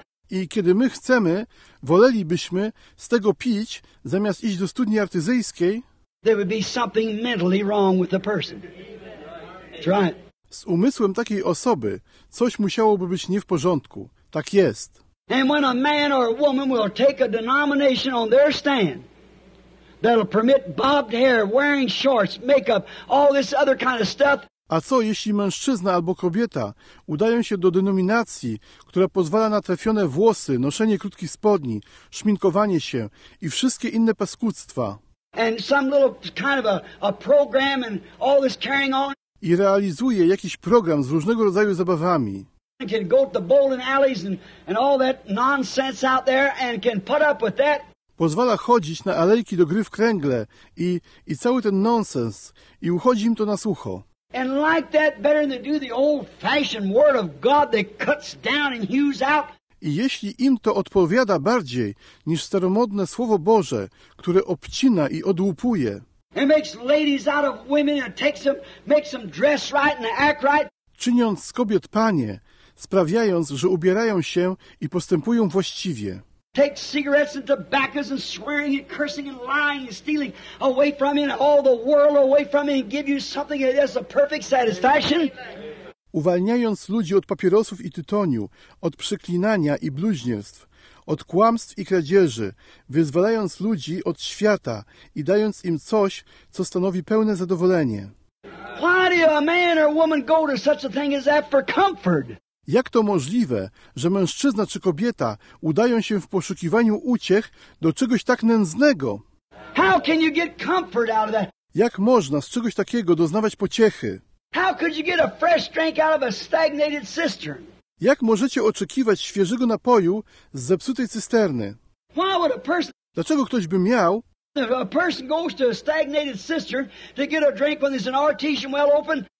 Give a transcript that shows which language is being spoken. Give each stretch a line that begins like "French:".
Polish: I kiedy my chcemy, wolelibyśmy z tego pić, zamiast iść do studni artyzyjskiej,
English: there would be something mentally wrong with the person. That's right.
Polish: Z umysłem takiej osoby coś musiałoby być nie w porządku. Tak jest.
English: And when a man or a woman will take a denomination on their stand that'll permit bobbed hair, wearing shorts, makeup, all this other kind of stuff.
Polish: A co jeśli mężczyzna albo kobieta udają się do denominacji, która pozwala na trefione włosy, noszenie krótkich spodni, szminkowanie się i wszystkie inne paskudztwa?
English: And some little kind of a program and all this carrying on.
Polish: I realizuje jakiś program z różnego rodzaju zabawami.
English: And can go to the bowling alleys and all that nonsense out there and can put up with that.
Polish: Pozwala chodzić na alejki do gry w kręgle i cały ten nonsens i uchodzi im to na sucho.
English: And like that better than do the old-fashioned word of God that cuts down and hews out.
Polish: I jeśli im to odpowiada bardziej niż staromodne Słowo Boże, które obcina i odłupuje.
English: It makes ladies out of women and makes them dress right and act right.
Polish: Czyniąc z kobiet panie, sprawiając, że ubierają się i postępują właściwie.
English: Take cigarettes and tobaccos and swearing and cursing and lying and stealing away from you and all the world away from you and give you something that is a perfect satisfaction.
Polish: Uwalniając ludzi od papierosów i tytoniu, od przeklinania i bluźnierstw, od kłamstw i kradzieży, wyzwalając ludzi od świata i dając im coś, co stanowi pełne zadowolenie.
English: Why do a man or woman go to such a thing as that for comfort?
Polish: Jak to możliwe, że mężczyzna czy kobieta udają się w poszukiwaniu uciech do czegoś tak nędznego?
English: How can you get comfort out of that?
Polish: Jak można z czegoś takiego doznawać pociechy?
English: How could you get a fresh drink out of a stagnated cistern?
Polish: Jak możecie oczekiwać świeżego napoju z zepsutej cysterny?
English: Why would a person?
Polish: Dlaczego ktoś by miał?
English: If a person goes to a stagnated cistern to get a drink when there's an artesian well open.